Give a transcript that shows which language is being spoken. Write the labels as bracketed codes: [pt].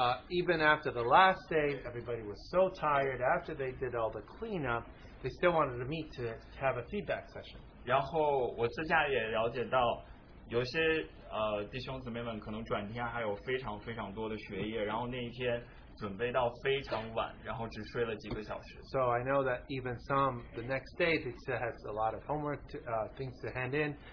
[en] Even after the last day, everybody was so tired. After they did all the cleanup, they still wanted to meet to have a feedback session. [zh] 然后我私下也了解到，有些弟兄姊妹们可能转天还有非常非常多的学业，然后那一天准备到非常晚，然后只睡了几个小时。 [en] So I know that even some the next day they still had a lot of homework to, things to hand in.